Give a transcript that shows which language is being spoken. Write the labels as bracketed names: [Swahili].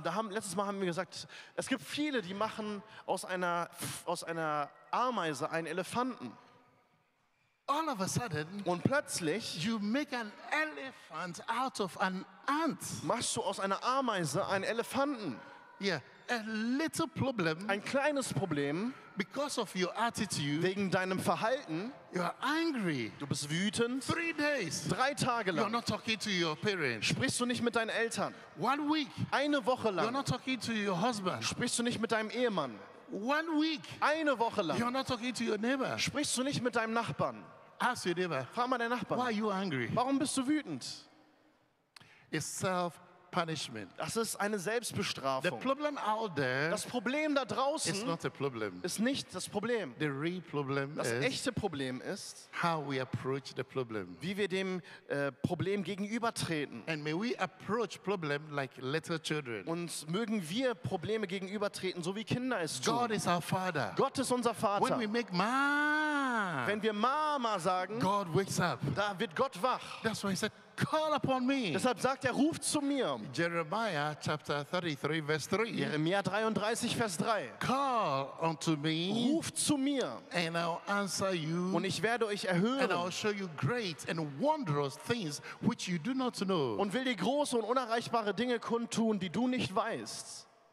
[German] Letztes Mal haben wir gesagt, es gibt viele, die machen aus einer Ameise, einen Elefanten. [English] All of a sudden, [German] und plötzlich, [English] you make an elephant out of an ant. [German] Machst du aus einer Ameise einen Elefanten? [English] Yeah, a little problem. [German] Ein kleines Problem. [English] Because of your attitude, [German] wegen deinem Verhalten, [English] you are angry. [German] Du bist wütend. [English] 3 days, [German] 3 Tage lang. [English] You are not talking to your parents. [German] Sprichst du nicht mit deinen Eltern? [English] 1 week, [German] eine Woche lang. [English] You are not talking to your husband. [German] Sprichst du nicht mit deinem Ehemann? [English] 1 week, [German] eine Woche lang. [English] You are not talking to your neighbor. [German] Sprichst du nicht mit deinem Nachbarn? [English] Ask your neighbor. [German] Frag mal deinen Nachbarn. [English] Why are you angry? [German] Warum bist du wütend? [English] It's self-punishment. [German] Das ist eine Selbstbestrafung. [English] The problem out there. [German] Das Problem da draußen. [English] It's not a problem. [German] Ist nicht das Problem. [English] The real problem. [German] Das echte Problem ist. [English] How we approach the problem. [German] Wie wir dem Problem gegenübertreten. [English] And may we approach problem like little children. [German] Und mögen wir Probleme gegenübertreten, so wie Kinder es tun. [English] God is our Father. [German] Gott ist unser Vater. [English] When we make Mama. [German] Wenn wir Mama sagen. [English] God wakes up. [German] Da wird Gott wach. [English] That's why he said, call upon me. [German] Deshalb sagt er, ruf zu mir. [English] Jeremiah chapter 33 verse 3. [German] Jeremia 33 Vers 3. [English] Call unto me. [German] Ruf zu mir. [English] And I'll answer you. [German] Und ich werde euch erhören. [English] And I'll show you great and wondrous things which you do not know. [German] Und will dir große und unerreichbare Dinge kundtun, die du nicht weißt.